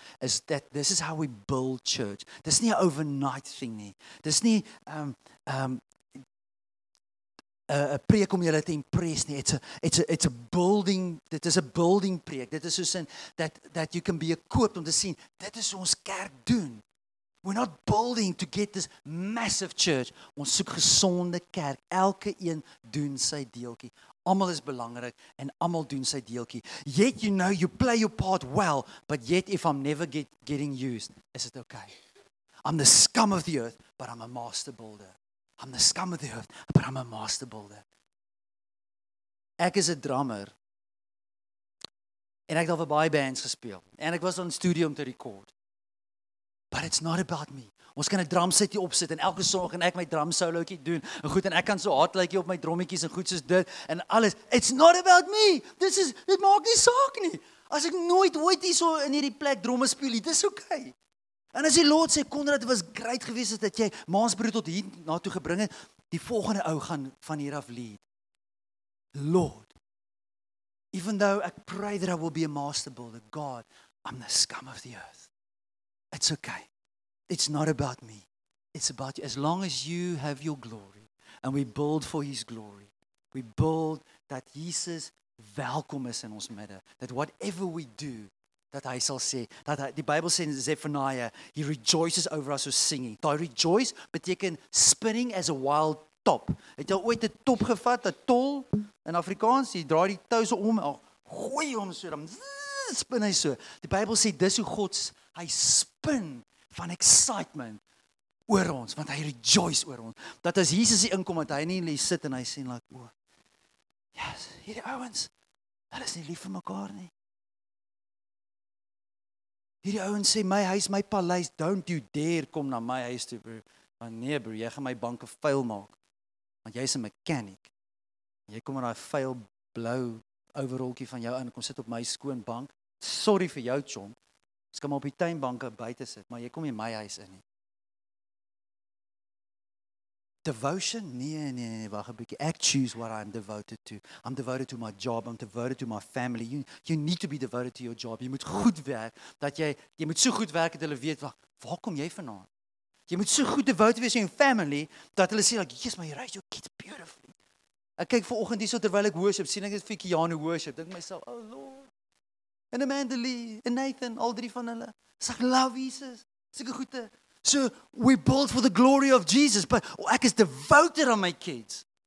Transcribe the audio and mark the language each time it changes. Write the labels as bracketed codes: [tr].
[en] Is that this is how we build church. [af] Dis nie 'n overnight thing nie. Dis nie 'n preek om julle te impress nie. [en] It's a building. [af] Dit is 'n building preek. Dit is soos in [en] that you can be equipped [af] om te sien dit is ons kerk doen. [en] We're not building to get this massive church. [af] Ons soek gesonde kerk. Elke een doen sy deeltjie. Almal is belangrik en almal doen sy deeltjie. [en] Yet you know you play your part well, but yet if I'm never getting used, is it okay? I'm the scum of the earth, but I'm a master builder. I'm the scum of the earth, but I'm a master builder. [af] Ek is 'n drummer. En ek het al vir baie bands gespeel. En ek was in studio om te record. [en] But it's not about me. [af] Ons kan 'n drumsetjie opsit en elke song en ek my drum solootjie doen. En goed en ek kan so hard lyk op my drommetjies en goed soos dit en alles. [en] It's not about me. [af] Dit maak nie saak nie. As ek nooit ooit hier so in hierdie plek dromme speel, dit is okay. En as die Lord sê Konrad was great geweest het dat jy Maasbroer tot hier na toe gebring het, die volgende ou gaan van hier af lead. [en] Lord. Even though I pray that I will be a master builder, God, I'm the scum of the earth. it's okay. It's not about me. It's about you. As long as you have your glory and we build for His glory, we build that Jesus [af] welkom is in ons midde, [en] that whatever we do, that [af] hy sal sê, dat hy, die Bible sê in Zephaniah, [en] He rejoices over us with singing. [af] Daai rejoice beteken [en] spinning as a wild top. [af] Het jy ooit 'n top gevat, 'n tol in Afrikaans, jy draai die tou so om, gooi hom so, dan spin hy so. Die Bible sê, dis hoe God, hy spin van excitement oor ons, want hy rejoice oor ons. Dat as Jesus hier inkom, dat hy nie hier sit en hy sê, like, oh, yes, hierdie ouens, hulle is nie lief vir mekaar nie. Hierdie ouens sê, my huis, my paleis, [en] don't you dare [af] kom na my huis toe, bro. Maar nee, bro, jy gaan my banke vuil maak, want jy is 'n mechanic. Jy kom in daai vuil blou overrolkie van jou in, kom sit op my skoon bank. Sorry vir jou, chom. Ons kan maar op die tuinbanke buite sit, maar jy kom in my huis in nie. [en] Devotion? [af] Nee, wag 'n bietjie. Ek [en] choose what I'm devoted to. I'm devoted to my job, I'm devoted to my family. You need to be devoted to your job. [af] Jy moet goed werk, dat jy moet so goed werk, dat hulle weet, waar kom jy vanaan? Jy moet so goed devoted wees in your family, dat hulle sê, like, yes, maar jy [en] raise your kids beautifully. [af] Ek kyk vanoggend hierso terwyl ek worship, sien ek dit vir Keanu worship, dink myself, oh Lord, en Amanda Lee, en Nathan, al drie van hulle, sê, love Jesus, sêke goede, so, [en] we build for the glory of Jesus, but [af] ek is devoted on my kids.